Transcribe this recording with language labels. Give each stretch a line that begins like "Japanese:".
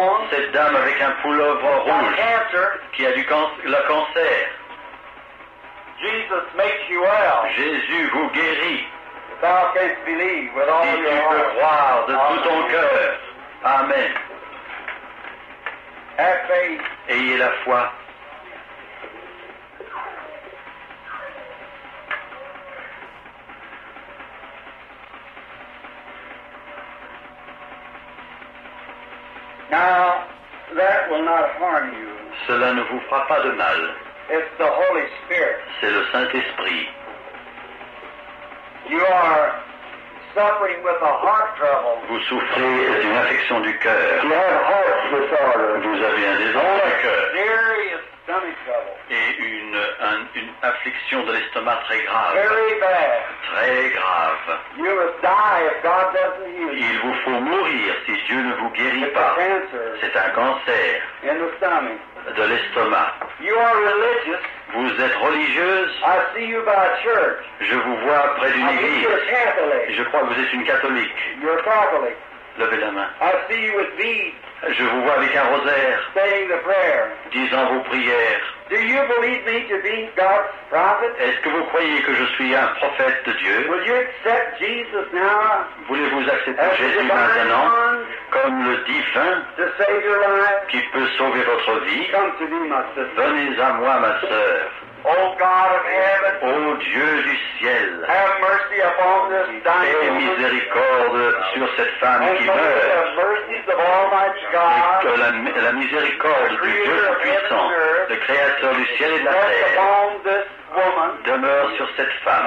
French: Cette dame avec un pull-over rouge qui a le cancer.
English: Jesus makes you well.
French: Jésus vous guérit.
English: Thou canst believe with all your heart.
French: Si tu peux croire de tout ton cœur.
English: Amen. Have faith.
French: Ayez la foi.
English: Now, that will not harm you.
French: Cela ne vous fera pas de mal.
English: It's the Holy Spirit.
French: C'est le Saint-Esprit.
English: You are suffering with a heart trouble.
French: Vous souffrez d'une affection du cœur.
English: You have heart disorder.
French: Vous avez un désordre du cœur.
English: Serious stomach trouble.
French: Et une affliction de l'estomac très grave.
English: Very bad.
French: Très grave.
English: You must die if God doesn't heal you.
French: Il vous faut mourir si Dieu ne vous guérit
English: It's
French: pas.
English: A cancer.
French: C'est un cancer
English: in the stomach.
French: De l'estomac.
English: You are religious.
French: Vous êtes religieuse.
English: I see you by a church.
French: Je vous vois près d'une église.
English: I think you're Catholic.
French: Je crois que vous êtes une catholique.
English: You're Catholic.
French: Levez la main.
English: I see you with beads.
French: Je vous vois avec un rosaire.
English: Saying the prayer.
French: Disant vos prières.
English: Do you believe me to be God's prophet?
French: Est-ce que vous croyez que je suis un prophète de Dieu?
English: Will you accept Jesus now?
French: Voulez-vous accepter Jésus maintenant comme le divin
English: to save your life?
French: Qui peut sauver votre vie?
English: Come to me, my sister.
French: Venez à moi, ma sœur.
English: O God of heaven,
French: O Dieu du ciel,
English: have mercy upon this dying woman.
French: Aie miséricorde sur cette femme qui meurt. Et que la miséricorde du Dieu puissant, le Créateur du ciel et de la terre, demeure sur cette femme.